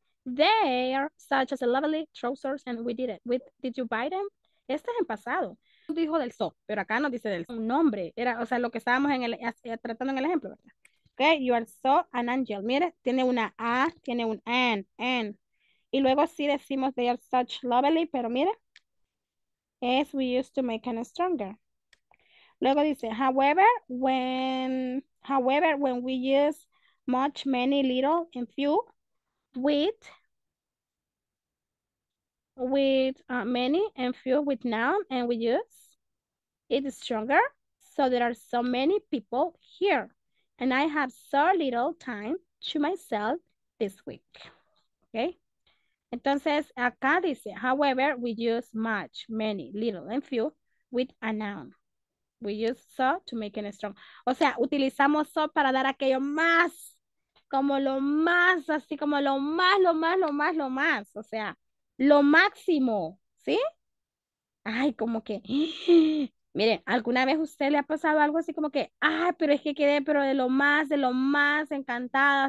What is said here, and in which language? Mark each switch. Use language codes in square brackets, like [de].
[en] They are such as a lovely trousers and we did it. Did you buy them? [es] Este es en pasado. Dijo del so, pero acá no dice del so. Un nombre. Era, o sea, lo que estábamos en el, tratando en el ejemplo, ¿verdad? [en] Ok, you are so an angel. [es] Mire, tiene una A, tiene un N. Y luego sí decimos [en] they are such lovely, [es] pero mire, [en] as we used to make them stronger. Luego dice, however, when we use much, many, little, and few, with many and few with noun, and we use it stronger. So there are so many people here, and I have so little time to myself this week. Okay. [es] Entonces, acá dice, [en] however, we use much, many, little, and few with a noun. We use so to make it strong. [es] O sea, utilizamos so para dar aquello más, como lo más, así como lo más. O sea, lo máximo, ¿sí? Ay, como que, miren, ¿alguna vez usted le ha pasado algo así como que, ay, pero es que quedé, pero de lo más encantada?